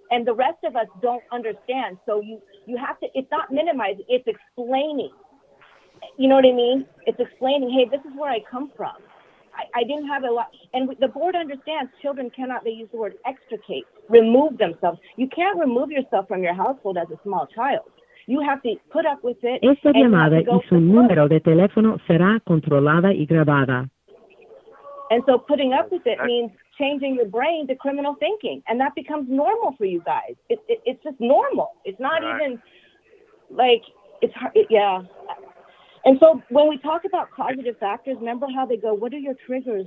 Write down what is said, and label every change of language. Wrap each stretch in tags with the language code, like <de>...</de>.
<en>And the rest of us don't understand. So you have to, it's not minimizing, it's explaining. You know what I mean? It's explaining, hey, this is where I come from. I didn't have a lot. And the board understands children cannot, they use the word extricate, remove themselves. You can't remove yourself from your household as a small child. You have to put up with it.</en> <es>Esta llamada y su número de teléfono será controlada y grabada.</es> <en>And so putting up with it means changing your brain to criminal thinking. And that becomes normal for you guys. It's just normal. It's not even like, it's hard. And so when we talk about causative factors, remember how they go, what are your triggers?</en>